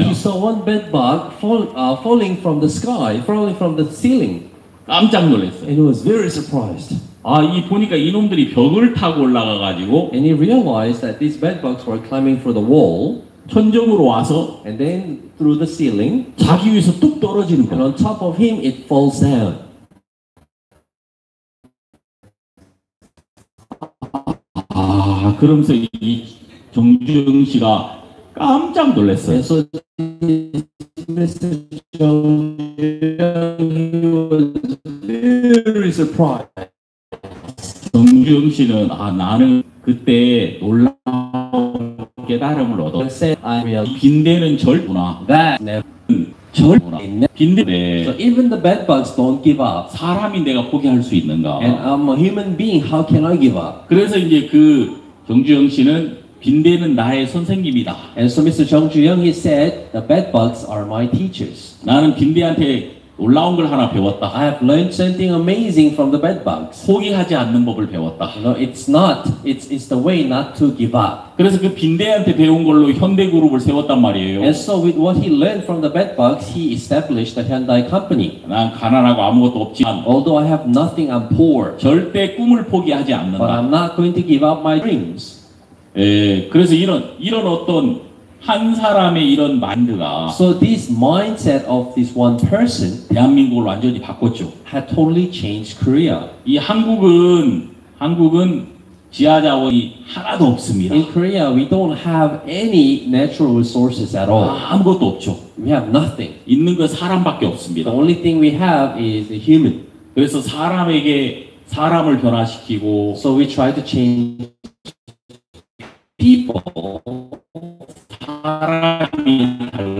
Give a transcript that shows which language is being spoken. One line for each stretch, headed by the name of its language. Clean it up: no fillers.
English: He saw one bed bug falling from the sky, falling from the ceiling.
Korean: 깜짝 놀랐어요.
English: And he was very surprised.
Korean: 아, 이 보니까 이놈들이 벽을 타고 올라가 가지고.
English: And he realized that these bed bugs were climbing through the wall.
Korean: 천정으로 와서.
English: And then through the ceiling.
Korean: 자기 위에서 뚝 떨어지는 거.
English: And on top of him, it falls down.
Korean: 아, 그러면서 이 정주영 씨가 깜짝 놀랐어요.
English: And so, Mr. Jung, he was very surprised.
Korean: 정주영 씨는 아 나는 그때 놀라운 깨달음을 얻어.
English: I realized
Korean: 빈대는 절구나.
English: That never.
Korean: 빈대.
English: So even the bed bugs don't give up.
Korean: 사람이 내가 포기할 수 있는가?
English: And I'm a human being. How can I give up?
Korean: 그래서 이제 그 정주영 씨는 빈대는 나의 선생님이다.
English: And so Mr. 정주영 he said, the bed bugs are my teachers.
Korean: 나는 빈대한테 놀라운 걸 하나 배웠다.
English: I have learned something amazing from the bed bugs.
Korean: 포기하지 않는 법을 배웠다.
English: You know, it's the way not to give up.
Korean: 그래서 그 빈대한테 배운 걸로 현대그룹을 세웠단 말이에요.
English: And so with what he learned from the bed bugs, he established the Hyundai company.
Korean: 난 가난하고 아무것도 없지만,
English: although I have nothing, I'm poor.
Korean: 절대 꿈을 포기하지 않는다.
English: But I'm not going to give up my dreams.
Korean: 예, 그래서 이런 어떤 한 사람의 이런 마인드가
English: So this mindset of this one person
Korean: 대한민국을 완전히 바꿨죠.
English: Had totally changed Korea.
Korean: 이 한국은 지하 자원이 하나도 없습니다.
English: In Korea, we don't have any natural resources at all.
Korean: 아무것도 없죠.
English: We have nothing.
Korean: 있는 건 사람밖에 없습니다.
English: The only thing we have is the human.
Korean: 그래서 사람에게 사람을 변화시키고
English: So we try to change people are changed.